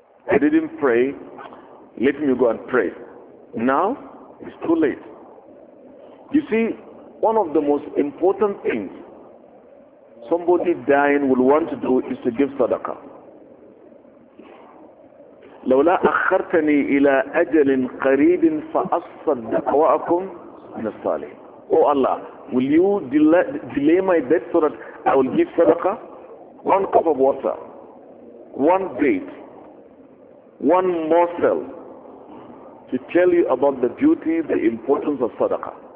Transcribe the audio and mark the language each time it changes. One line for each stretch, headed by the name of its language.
English: I didn't pray, let me go and pray. Now, it's too late. You see, one of the most important things somebody dying will want to do is to give sadaqah.
Arabic: لولا أخرتني إلى أجل قريب فأصدق وأكون من الصالحين.
English: Oh Allah, will you delay my death so that I will give sadaqah? One cup of water, one date, one morsel to tell you about the beauty, the importance of sadaqah.